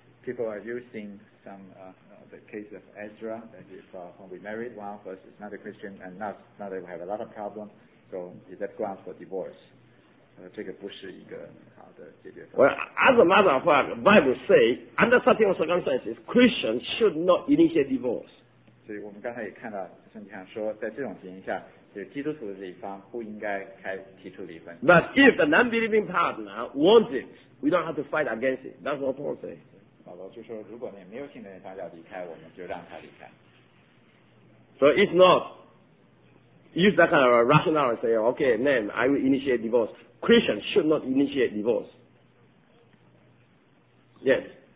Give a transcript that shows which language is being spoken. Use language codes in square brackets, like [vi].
[en] People are using some the case of Ezra, that if when we married, one of us is not a Christian and now they have a lot of problems, so is that ground for divorce? [zh] 这个不是一个好的解决方案。 [en] Well, as a matter of fact, the Bible says, under certain circumstances, Christians should not initiate divorce. [zh] 所以我们刚才也看到圣经上说，在这种情形下，就是基督徒的这一方不应该提出离婚。But [en] if the non-believing partner wants it, we don't have to fight against it. That's what Paul says. [zh] 保罗就说，如果你没有信的人方要离开，我们就让他离开。 [en] So it's not use that kind of a rationale and say, okay, then I will initiate divorce. Christians should not initiate divorce. Yes.